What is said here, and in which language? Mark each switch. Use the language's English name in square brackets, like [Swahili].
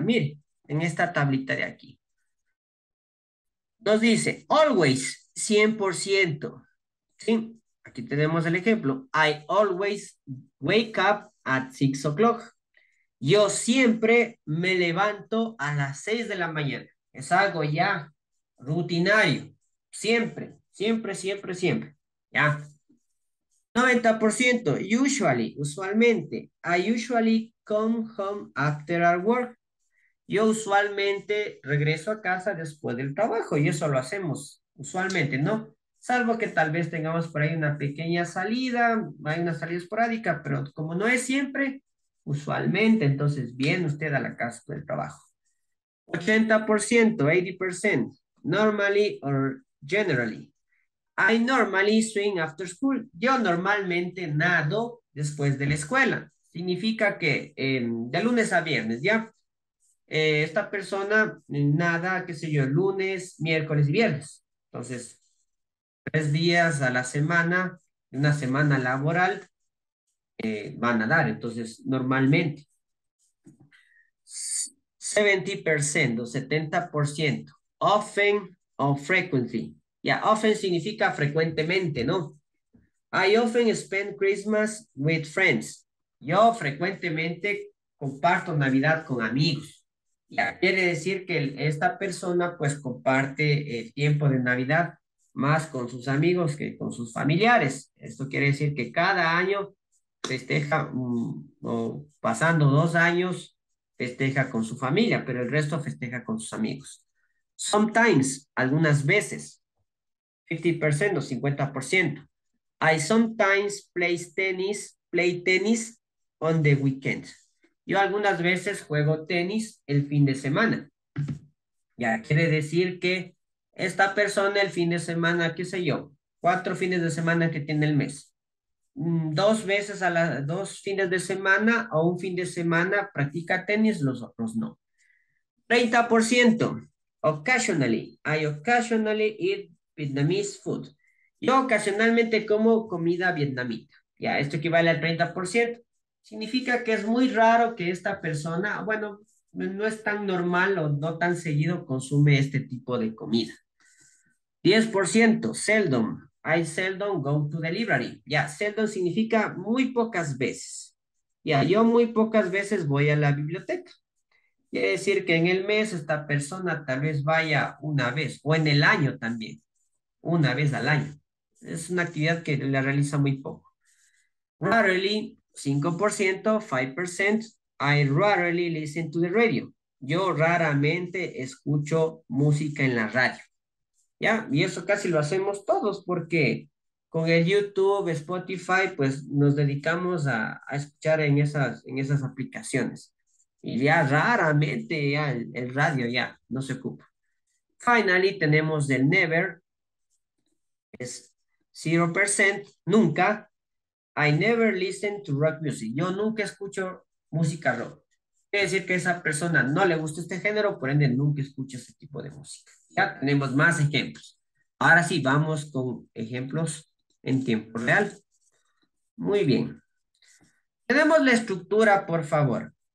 [Spanish] Mire, en esta tablita de aquí. Nos dice, always, 100%. Sí, aquí tenemos el ejemplo. [English] I always wake up at 6 o'clock. [Spanish] Yo siempre me levanto a las 6 de la mañana. Es algo ya rutinario. Siempre, siempre, siempre, siempre. Ya. 90%. Usually, usualmente. [English] I usually come home after our work. [Spanish] Yo usualmente regreso a casa después del trabajo y eso lo hacemos usualmente, ¿no? Salvo que tal vez tengamos por ahí una pequeña salida, hay una salida esporádica, pero como no es siempre. Usualmente, entonces viene usted a la casa del trabajo. 80%, 80%, normally or generally. [English] I normally swim after school. [Spanish] Yo normalmente nado después de la escuela. Significa que de lunes a viernes, ¿ya? Esta persona nada, qué sé yo, lunes, miércoles y viernes. Entonces, 3 días a la semana, una semana laboral. Van a dar, entonces, normalmente. 70% o 70%. Often o frequently. Ya, often significa frecuentemente, ¿no? [English] I often spend Christmas with friends. [Spanish] Yo frecuentemente comparto Navidad con amigos. Ya, quiere decir que esta persona, pues, comparte el tiempo de Navidad más con sus amigos que con sus familiares. Esto quiere decir que cada año festeja, o pasando 2 años, festeja con su familia, pero el resto festeja con sus amigos. Sometimes, algunas veces, 50% o 50%. [English] I sometimes play tennis on the weekend. [Spanish] Yo algunas veces juego tenis el fin de semana. Ya quiere decir que esta persona el fin de semana, qué sé yo, 4 fines de semana que tiene el mes. Dos veces a las 2 fines de semana o un fin de semana practica tenis, los otros no. 30%. Occasionally. [English] I occasionally eat Vietnamese food. [Spanish] Yo ocasionalmente como comida vietnamita. Ya, esto equivale al 30%. Significa que es muy raro que esta persona, bueno, no es tan normal o no tan seguido consume este tipo de comida. 10%. Seldom. [English] I seldom go to the library. [Spanish] Ya, seldom significa muy pocas veces. Ya, yo muy pocas veces voy a la biblioteca. Quiere decir que en el mes esta persona tal vez vaya una vez, o en el año también, una vez al año. Es una actividad que la realiza muy poco. [English] Rarely, 5%, 5%, I rarely listen to the radio. [Spanish] Yo raramente escucho música en la radio. ¿Ya? Y eso casi lo hacemos todos porque con el YouTube, Spotify, pues nos dedicamos a escuchar en esas aplicaciones. Y ya raramente ya el radio ya no se ocupa. Finally, tenemos el never. Es 0%, nunca. [English] I never listen to rock music. [Spanish] Yo nunca escucho música rock. Quiere decir que a esa persona no le gusta este género, por ende nunca escucha ese tipo de música. Ya tenemos más ejemplos. Ahora sí, vamos con ejemplos en tiempo real. Muy bien. Tenemos la estructura, por favor.